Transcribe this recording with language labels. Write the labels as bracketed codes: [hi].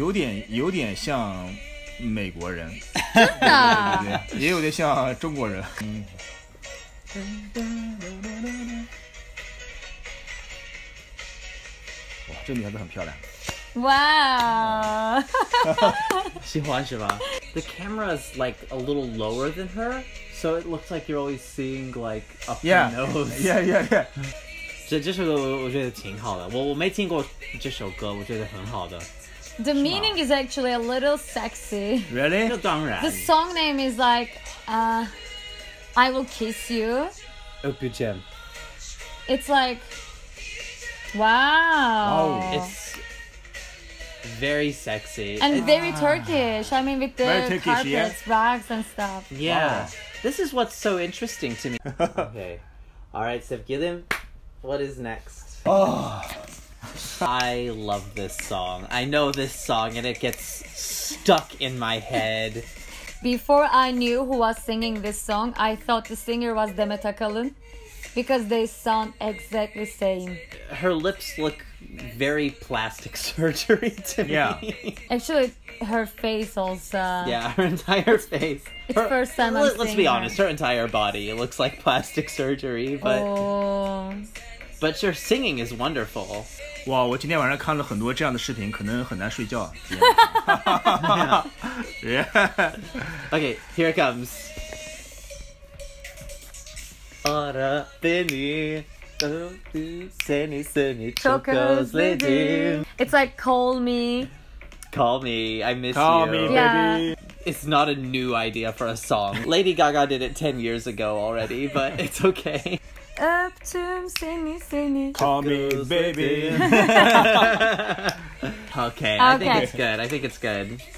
[zh] 我觉得这个女歌手长得不是太土耳其的感觉。也是吗？是吗？我感觉不太，我可能认识的土耳其女孩子不多，对。那你觉得她是哪里人？像哪里人？有点像。美国人，真的，也有点像中国人。哇，这女孩子很漂亮。哇，喜欢是吧？ [en] The camera is like a little lower than her, so it looks like you're always seeing like up yeah. her nose. Yeah, yeah, yeah. [zh] 这首歌我觉得挺好的，我没听过这首歌，我觉得很好的。 [en] The meaning is actually a little sexy. Really? The song name is like, I will kiss you. [tr] Öpeceğim. [en] It's like, wow. Oh, it's very sexy. And very Turkish. I mean, with the Turkish, carpets, yeah? rugs and stuff. Yeah. Oh. This is what's so interesting to me. Okay. All right, Sevgilim, what is next? Oh. I love this song. I know this song and it gets stuck in my head. Before I knew who was singing this song, I thought the singer was Demet Akalın because they sound exactly the same. Her lips look very plastic surgery to me. Yeah. Actually, her face also. Yeah, her entire face. It's her, first time I'm let's seeing be honest, her entire body looks like plastic surgery, but... Oh. But your singing is wonderful. [zh] Wow, 我今天晚上看了很多这样的视频，可能很难睡觉。 [en] Yeah. yeah. Okay, here it comes. [tr] Ara beni, seni seni çok özledim. [en] It's like call me. Call me, I miss call you. Call me, baby. Yeah. It's not a new idea for a song. Lady Gaga did it 10 years ago already, but it's okay. Up to me, seni. Call me, baby. okay, I think it's good. I think it's good.